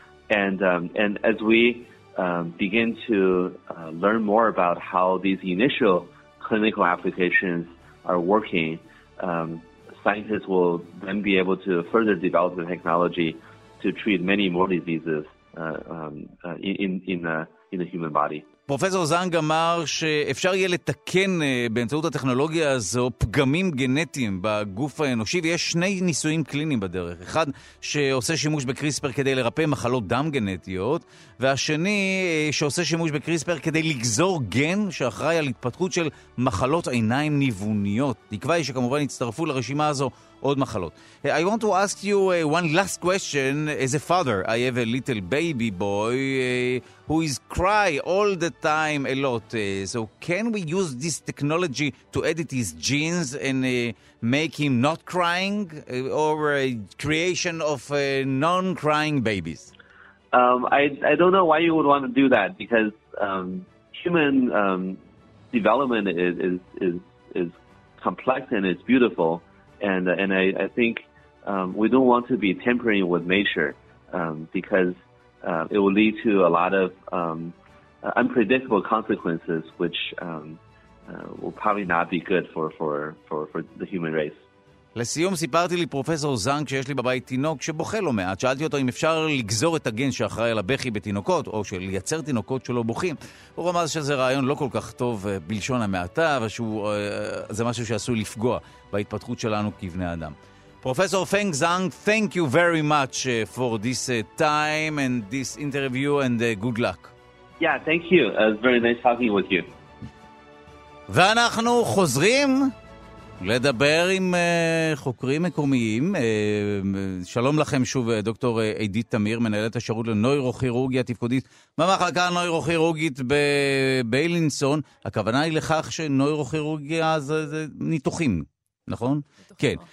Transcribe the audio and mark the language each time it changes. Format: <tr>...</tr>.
<en>And as we begin to learn more about how these initial clinical applications are working, scientists will then be able to further develop the technology to treat many more diseases in the human body.</en> <he>פרופסור זנג אמר שאפשר יהיה לתקן באמצעות הטכנולוגיה הזו פגמים גנטיים בגוף האנושי, ויש שני ניסויים קליניים בדרך. אחד שעושה שימוש בקריספר כדי לרפא מחלות דם גנטיות, והשני שעושה שימוש בקריספר כדי לגזור גן שאחראי על התפתחות של מחלות עיניים ניווניות. תקווה היא שכמובן יצטרפו לרשימה הזו עוד מחלות.</he> <en>I want to ask you one last question. As a father, I have a little baby boy who is cry all the time a lot. So can we use this technology to edit his genes and make him not crying, or a creation of non-crying babies? I don't know why you would want to do that, because human development is complex and it's beautiful. And I think we don't want to be tampering with nature, because it will lead to a lot of unpredictable consequences, which will probably not be good for the human race.</en> <he>לסיום סיפרתי לי פרופסור זנג שיש לי בבית תינוק שבוכה לא מעט. שאלתי אותו אם אפשר לגזור את הגן שאחראי על הבכי בתינוקות, או שלייצר תינוקות שלא בוכים. הוא רמז שזה רעיון לא כל כך טוב בלשון המעטה, זה משהו שעשוי לפגוע בהתפתחות שלנו כבני אדם.</he> <en>פרופסור פנג זנג, thank you very much for this time and this interview, and good luck. Yeah, thank you. It's very nice talking with you.</en> <he>ואנחנו חוזרים לדבר עם חוקרים מקומיים. שלום לכם שוב, דוקטור עידית תמיר, מנהלת השירות לנוירוכירורגיה תפקודית במחלקה הנוירוכירורגית בבילינסון. הכוונה היא לכך שנוירוכירורגיה זה ניתוחים, נכון? כן.</he>